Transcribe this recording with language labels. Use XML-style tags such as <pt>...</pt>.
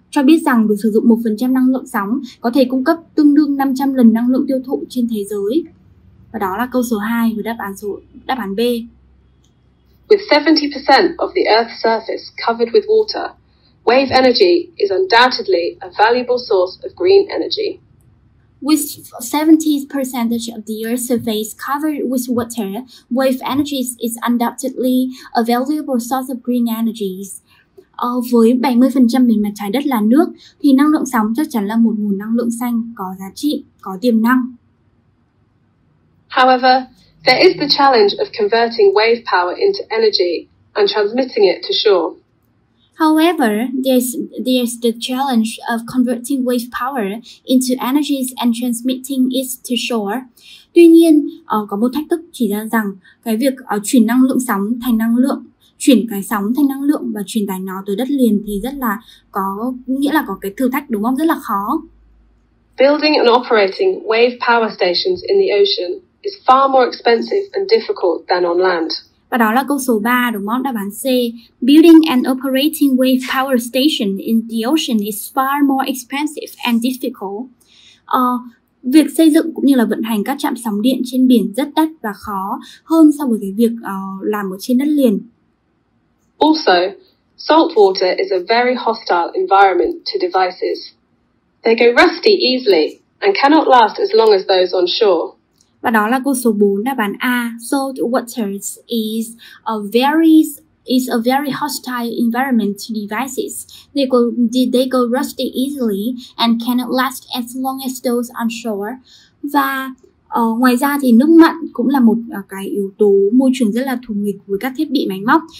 <vi>cho biết rằng việc sử dụng 1% năng lượng sóng có thể cung cấp tương đương 500 lần năng lượng tiêu thụ trên thế giới. Và đó là câu số 2 của đáp án B.</vi> <en>With 70% of the Earth's surface covered with water, wave energy is undoubtedly a valuable source of green energy. With 70% of the Earth's surface covered with water, wave energy is undoubtedly a valuable source of green energy.</en> <vi>Với 70% bề mặt trái đất là nước, thì năng lượng sóng chắc chắn là một nguồn năng lượng xanh có giá trị, có tiềm năng.</vi> <en>However, there is the challenge of converting wave power into energy and transmitting it to shore. However, there's the challenge of converting wave power into energies and transmitting it to shore.</en> <vi>Tuy nhiên, có một thách thức chỉ ra rằng cái việc chuyển năng lượng sóng thành năng lượng, chuyển cái sóng thành năng lượng và truyền tải nó tới đất liền thì rất là có nghĩa là có cái thử thách đúng không? Rất là khó.</vi> <en>Building and operating wave power stations in the ocean is far more expensive and difficult than on land.</en> <vi>Và đó là câu số 3, đúng không? Đáp án C.</vi> <en>Building and operating wave power station in the ocean is far more expensive and difficult.</en> <vi>Việc xây dựng cũng như là vận hành các trạm sóng điện trên biển rất đắt và khó hơn so với cái việc làm ở trên đất liền.</vi> <en>Also, salt water is a very hostile environment to devices. They go rusty easily and cannot last as long as those on shore.</en> <vi>Và đó là câu số 4, đáp án A.</vi> <en>Salt water is a very hostile environment to devices. They go rusty easily and cannot last as long as those on shore.</en> <vi>Và ngoài ra thì nước mặn cũng là một cái yếu tố môi trường rất là thù nghịch với các thiết bị máy móc.</vi>